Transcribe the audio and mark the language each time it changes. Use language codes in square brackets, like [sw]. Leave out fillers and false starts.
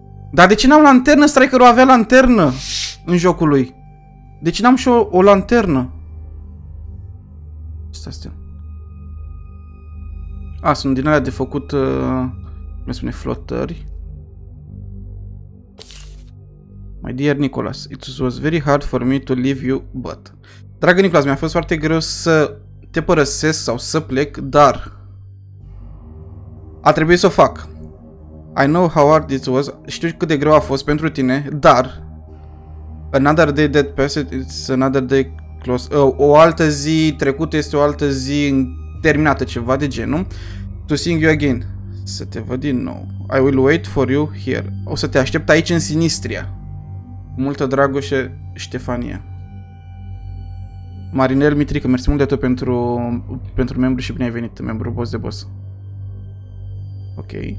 [ro] Dar de ce n-am lanternă? Striker-ul avea lanternă în jocul lui. De ce n-am și o lanternă? Stai. A, sunt din alea de făcut, cum spune, flotări. [en] My dear Nicholas, it was very hard for me to leave you, but... [ro] Dragă Nicholas, mi-a fost foarte greu să te părăsesc sau să plec, dar... A trebuit să o fac. [en] I know how hard it was, [ro] știu cât de greu a fost pentru tine, dar... [en] Another day that passed, it's another day close. [ro] O altă zi trecută este o altă zi terminată, ceva de genul. [en] To see you again. [ro] Să te văd din nou. [en] I will wait for you here. [ro] O să te aștept aici în Sinistria. Multă dragoșe, Ștefania. Marinel Mitrică, mersi mult de tot pentru membru și bine ai venit, membru boss de boss. Ok.